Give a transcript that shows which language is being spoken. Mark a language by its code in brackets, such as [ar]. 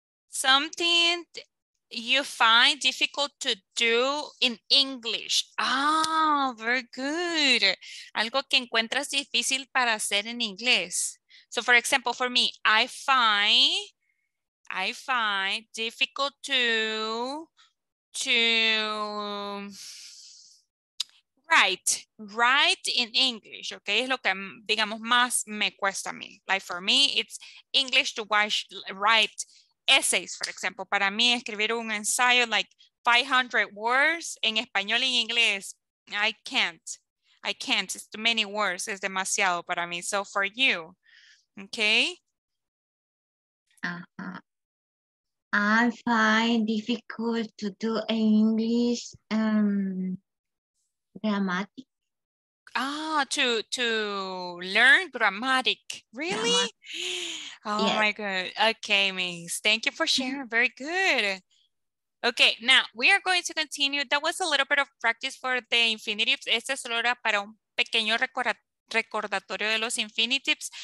[en] Something you find difficult to do in English. Ah, very good. [es] Algo que encuentras difícil para hacer en inglés. [en] So for example, for me, I find difficult to write in English. [es] Okay, es lo que digamos más me cuesta a mí. [en] Like for me, it's English to write essays, for example. [es] Para mí, escribir un ensayo [en] like 500 words [es] en español y en inglés, [en] I can't. It's too many words. [es] Es demasiado para mí. [en] So for you, okay? Uh-huh. I find difficult to do English grammatic. Ah, to learn grammatic. Really? Grammatic. Oh yes. My God. Okay, Miss. Thank you for sharing. Very good. Okay, now we are going to continue. That was a little bit of practice for the infinitives. [es] Esta es solo para un pequeño recordatorio de los infinitives.